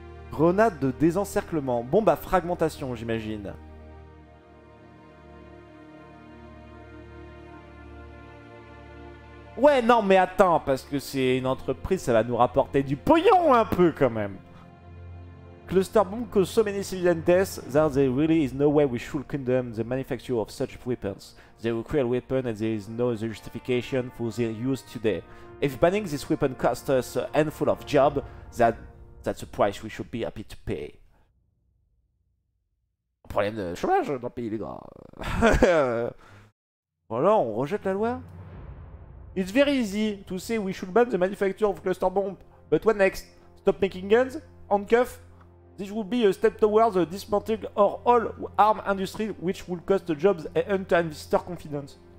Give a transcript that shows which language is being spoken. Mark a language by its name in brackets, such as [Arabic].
[French] grenade de désencerclement, bombe à fragmentation j'imagine. Ouais, non, mais attends, parce que c'est une entreprise, ça va nous rapporter du pognon un peu quand même. [English] Cluster bomb cause so many civilian deaths that there really is no way we should condemn the manufacture of such weapons. They were cruel weapons and there is no justification for their use today. If banning this weapon cost us a handful of jobs, that's a price we should be happy to pay. [French] Problème de chômage dans le pays, les gars. Voilà, on rejette la loi. [English] It's very easy to say we should ban the manufacture of cluster bomb. But what next? Stop making guns? Handcuff? This would be a step towards dismantling our whole arm industry, which would cost jobs and enter investor confidence.